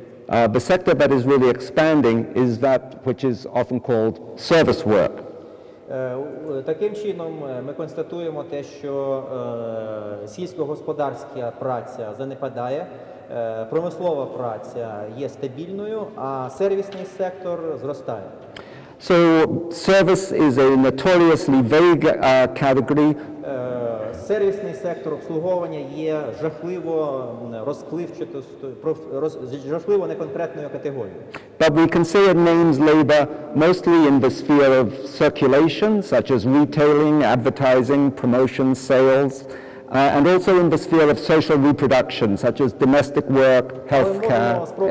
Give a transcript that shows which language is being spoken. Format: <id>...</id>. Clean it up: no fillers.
<en>The sector that is really expanding is that which is often called service work.</en> <uk>Таким чином ми констатуємо те, що сільськогосподарська праця занепадає, промислова праця є стабільною, а сервісний сектор зростає.</uk> <en>So service is a notoriously vague category.</en> <uk>Сервісний сектор обслуговування є жахливо розпливчатою, жахливо неконкретною категорією.</uk> <en>But we can say it means labor mostly in the sphere of circulation, such as retailing, advertising, promotion, sales, and also in the sphere of social reproduction, such as domestic work, healthcare, education.</en>